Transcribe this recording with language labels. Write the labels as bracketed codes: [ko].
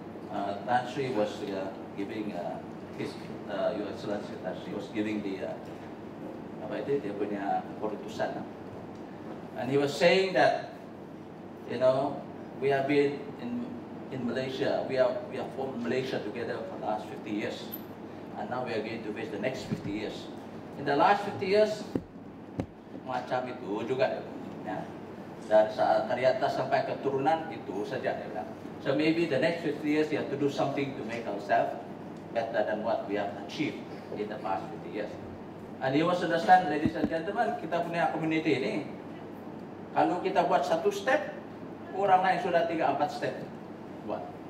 [en] Tan Sri was giving his, Your Excellency Tan Sri was giving the, [ms] apa itu, dia punya keputusan. [en] And he was saying that, you know, we have been in Malaysia, we are from Malaysia together for the last 50 years, and now we are going to face the next 50 years. In the last 50 years, [ms] macam itu juga, ya. Dari saat dari atas sampai keturunan itu saja, ya. [en] So maybe the next 50 years we have to do something to make ourselves better than what we have achieved in the past 50 years. And you must understand, ladies and gentlemen, [ms] kita punya community ini, kalau kita buat satu step, orang lain sudah 3-4 step. [en] What?